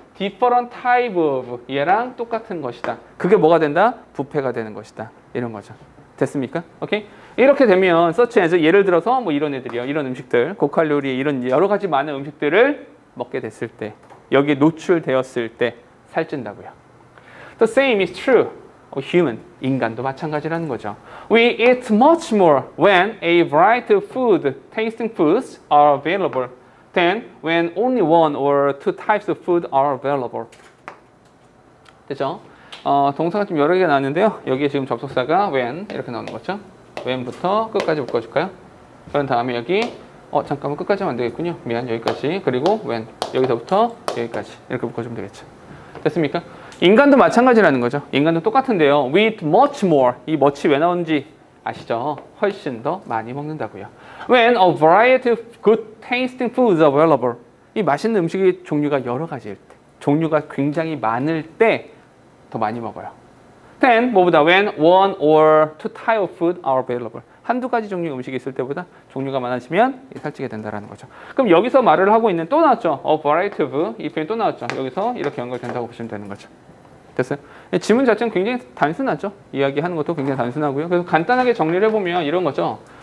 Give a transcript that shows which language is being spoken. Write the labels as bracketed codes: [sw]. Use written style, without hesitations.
[en] different type of [ko] 얘랑 똑같은 것이다. 그게 뭐가 된다? 뷔페가 되는 것이다. 이런 거죠. 됐습니까? 오케이? 이렇게 되면 [en] such as [ko] 예를 들어서 뭐 이런 애들이요. 이런 음식들, 고칼로리의 이런 여러 가지 많은 음식들을 먹게 됐을 때 여기에 노출되었을 때 살찐다고요. [en] The same is true. Human, [ko] 인간도 마찬가지라는 거죠. [en] We eat much more when a variety of food, tasting foods are available than when only one or two types of food are available. [ko] 됐죠? 동사가 좀 여러 개 나왔는데요. 여기에 지금 접속사가 when 이렇게 나오는 거죠. when부터 끝까지 묶어줄까요? 그런 다음에 여기 잠깐만 끝까지 하면 안 되겠군요. 미안 여기까지 그리고 when 여기서부터 여기까지 이렇게 묶어주면 되겠죠. 됐습니까? 인간도 마찬가지라는 거죠. 인간도 똑같은데요. [en] We eat much more. [ko] 이 much 왜 나오는지 아시죠? 훨씬 더 많이 먹는다고요. [en] When a variety of good tasting foods are available. [ko] 이 맛있는 음식의 종류가 여러 가지일 때. 종류가 굉장히 많을 때 더 많이 먹어요. [en] Then, [ko] 뭐보다 [en] when one or two types of food are available. [ko] 한두 가지 종류의 음식이 있을 때보다 종류가 많아지면 살찌게 된다는 거죠. 그럼 여기서 말을 하고 있는 또 나왔죠. [en] A variety of, [ko] 이 표현이 또 나왔죠. 여기서 이렇게 연결된다고 보시면 되는 거죠. 됐어요? 지문 자체는 굉장히 단순하죠. 이야기하는 것도 굉장히 단순하고요. 그래서 간단하게 정리를 해보면 이런 거죠.